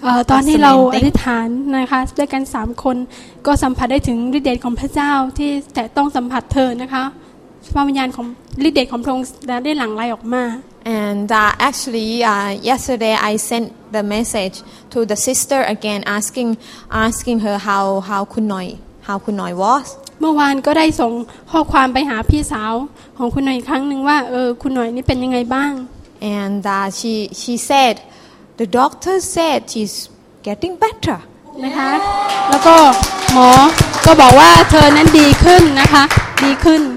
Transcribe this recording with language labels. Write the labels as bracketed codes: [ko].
[th] ตอนที่เราอธิษฐานนะคะด้วยกัน3คนก็สัมผัสได้ถึงฤทธิ์เดชของพระเจ้าที่แต่ต้องสัมผัสเธอนะคะพระวิญญาณของฤทธิ์เดชของพระองค์ได้หลั่งไหลออกมา [en] And actually, yesterday I sent the message to the sister again, asking her how Khun Noi was. [th] เมื่อวานก็ได้ส่งข้อความไปหาพี่สาวของคุณหน่อยครั้งหนึ่งว่าคุณหน่อยนี่เป็นยังไงบ้าง [en] and she said the doctor said she's getting better [th] นะคะแล้วก็หมอก็บอกว่าเธอนั้นดีขึ้นนะคะดีขึ้น